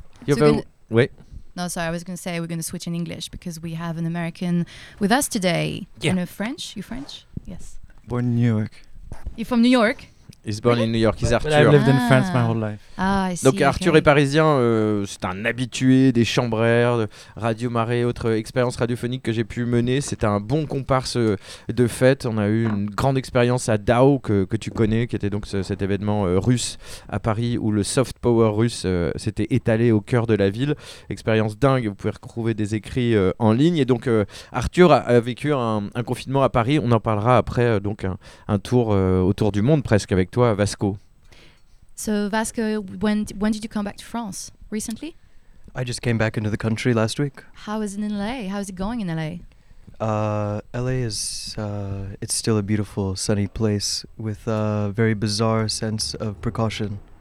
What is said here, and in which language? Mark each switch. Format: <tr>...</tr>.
<en>No, sorry, I was going to say we're going to switch in English because we have an American with us today. Yeah. And a French? You French? Yes. Born in New York. You're from New York? He's born in New York, he's Arthur. But I've lived in France my whole life. Ah, I see.</en> <fr>Donc Arthur est parisien, c'est un habitué des chambrères, de Radio Marée, autres expériences radiophoniques que j'ai pu mener. C'était un bon comparse de fête. On a eu une grande expérience à DAO que tu connais, qui était donc cet événement russe à Paris où le soft power russe s'était étalé au cœur de la ville. Expérience dingue, vous pouvez retrouver des écrits en ligne. Et donc Arthur a vécu un confinement à Paris. On en parlera après, donc un tour autour du monde presque avec toi, Vasco.</fr> <en>So Vasco, when did you come back to France recently? I just came back into the country last week. How is it in LA? How is it going in LA? LA is it's still a beautiful sunny place with a very bizarre sense of precaution.</en>